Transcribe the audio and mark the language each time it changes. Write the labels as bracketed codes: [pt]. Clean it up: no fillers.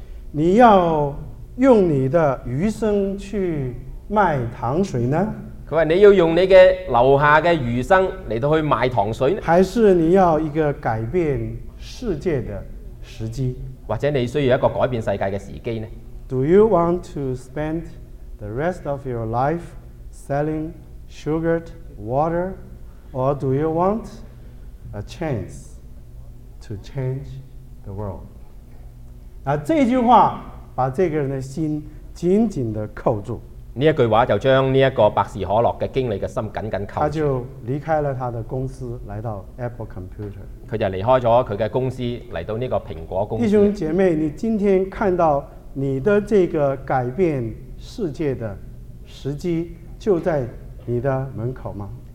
[zh] 你要用你的余生去卖糖水呢？他说你要用你的楼下的余生来到去卖糖水呢？还是你要一个改变世界的时机？或者你需要一个改变世界的时机呢？ [en] Do you want to spend the rest of your life selling sugared water? Or do you want a chance to change the world? [zh] 那这句话把这个人的心紧紧地扣住，这句话就将这个百事可乐的经理的心紧紧扣住，他就离开了他的公司来到 Apple Computer，他就离开了他的公司来到这个苹果公司。弟兄姐妹，你今天看到你的这个改变世界的时机就在你的门口吗？